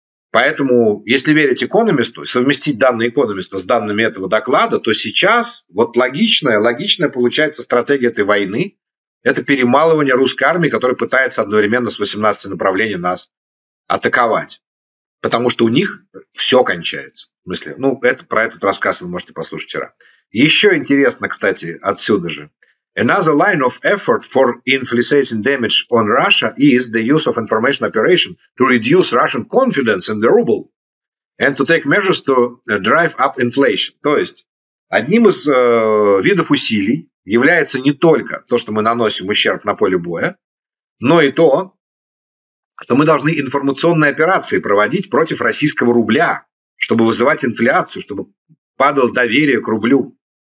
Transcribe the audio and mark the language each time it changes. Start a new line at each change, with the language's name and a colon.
Russian: Поэтому, если верить «Экономисту», совместить данные «Экономиста» с данными этого доклада, то сейчас вот логичная получается стратегия этой войны, это перемалывание русской армии, которая пытается одновременно с 18 направлений нас атаковать. Потому что у них все кончается. В смысле, ну, это, про этот рассказ вы можете послушать вчера. Еще интересно, кстати, отсюда же.
English: Another line of effort for inflicting damage on Russia is the use of information operation to reduce Russian confidence in the ruble and to take measures to drive up inflation.
Russian: То есть, одним из видов усилий является не только то, что мы наносим ущерб на поле боя, но и то, что мы должны информационные операции проводить против российского рубля, чтобы вызывать инфляцию, чтобы падало доверие к рублю.